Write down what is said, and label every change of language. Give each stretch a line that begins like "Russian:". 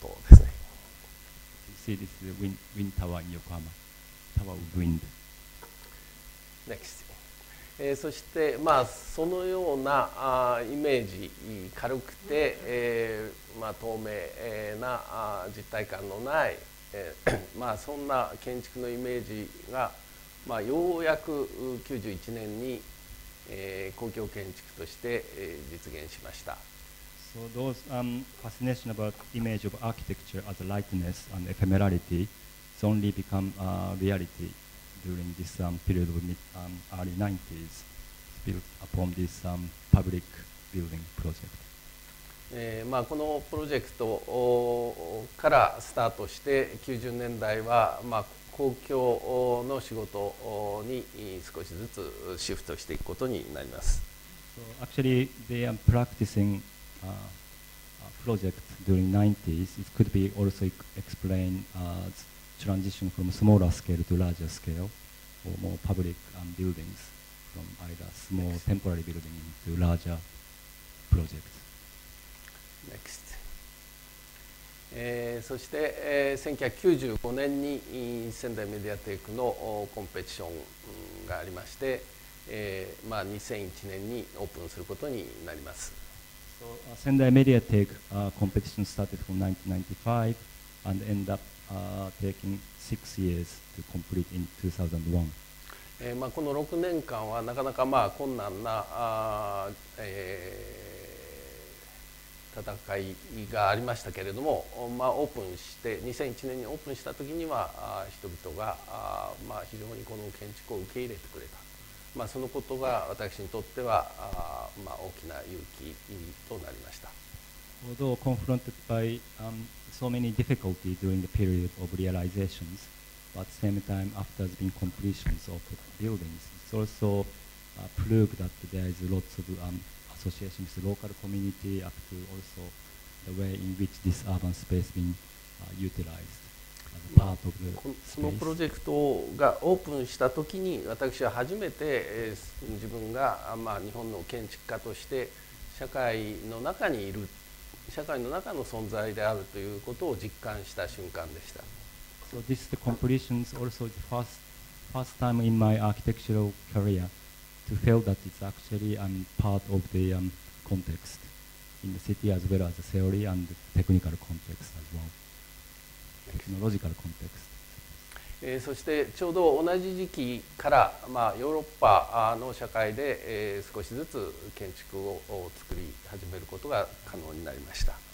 English: You see this is the wind tower in Yokohama, Tower of Wind. Next.
Japanese: そしてまあそのようなイメージ軽くて、まあ透明な実体感のない、まあそんな建築のイメージがまあようやく91年に、公共建築として、実現しました。
English: So those fascination about image of architecture as lightness and ephemerality suddenly become a reality. During this period of early 90s, built upon this public building project.
Japanese: まあこのプロジェクトからスタートして90年代はまあ公共の仕事に少しずつシフトしていくことになります。
English: So actually, they are practicing a project during 90s. It could be also explained as. Transition from smaller scale to larger scale, or more public buildings, from either small Next. Temporary building to larger projects. Next.
Japanese: そして、1995年に Sendai Mediatheque のコンペティションがありまして、まあ、2001年にオープンすることになります。
English: So, Sendai Mediatheque competition started from 1995 and ended up. Taking 6 years to complete in 2001.
Japanese: まあこの6年間はなかなかまあ困難な戦いがありましたけれども、まあオープンして2001年にオープンした時には人々がまあ非常にこの建築を受け入れてくれた。まあそのことが私にとってはまあ大きな勇気となりました。
English: Although confronted by so many difficulties during the period of realizations, but at the same time after there's been completions of the buildings, it's also proved that there is lots of association with the local community up to also the way in which this urban space been utilized as a part of the space.
Japanese: そのプロジェクトがオープンした時に私は初めて自分が、まあ、日本の建築家として社会の中にいる社会の中の存在であるということを実感した瞬間でした。
English: So this is the completion is also the first time in my architectural career to feel that it's actually part of the context in the city as well as the theory and the technical context as well. Technological context.
Japanese: そしてちょうど同じ時期から、まあ、ヨーロッパの社会で、少しずつ建築を作り始めることが可能になりました。